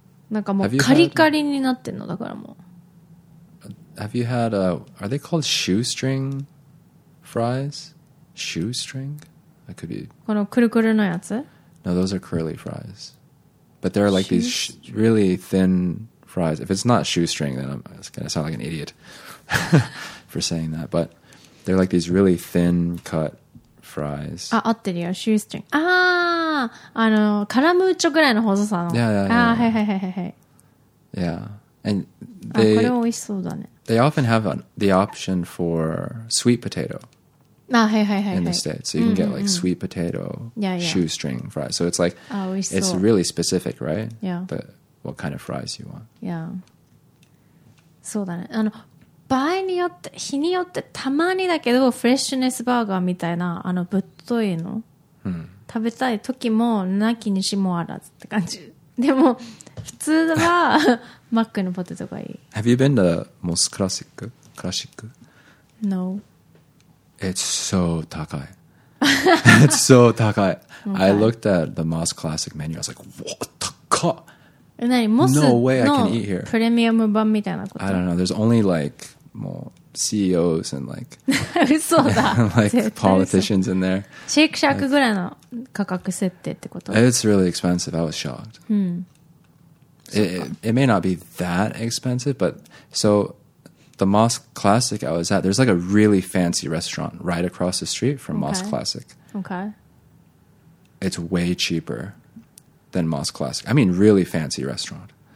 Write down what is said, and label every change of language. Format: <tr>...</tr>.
<ja>なんかもうカリカリになってんの、だからもう。</ja> <en>Have you had, are they called shoestring fries? Shoestring? That could be.</en> <ja>このくるくるのやつ?</ja> <en>No, those are curly fries. But they're like these really thin fries. If it's not shoestring, then it's going to sound like an idiot for saying that. But they're like these really thin cut fries.</en> <ja>あ、合ってるよ。shoestring. あー、あの、カラムーチョぐらいの細さの。</ja> <en>Yeah. あー、へへへへへ。 Yeah. And they,</en> <ja>あ、これ美味しそうだね。</ja> <en>They often have the option for sweet potato. Ah, hey, hey, hey, in the States, so you can get like sweet potato shoestring fries. So it's like it's really specific, right? Yeah. The, what kind of fries you want? Yeah.</en> <ja>そうだね。あの場合によって日によってたまにだけどフレッシュネスバーガーみたいなあのぶっといの、食べたい時もなきにしもあらずって感じ。でも普通はマックのポテトがいい。</ja> <en>Have you been to Mos Classic? Classic? No. It's so 高い It's so 高い、okay. I looked at the Moss Classic menu. I was like, what?</en> <ja>高い何 Moss</ja> <en>No way I can eat here.</en> <ja>プレミアム版みたいなこと</ja> <en>I don't know. There's only like more CEOs and like</en> <ja>そうだ</ja> <en>and like politicians in there.</en> <ja>シェイクシャークぐらいの価格設定ってこと</ja> <en>It's really expensive. I was shocked. It may not be that expensive, but so... The Moss Classic I was at, there's like a really fancy restaurant right across the street from Moss Classic. Okay. It's way cheaper than Moss Classic. I mean, really fancy restaurant.</en>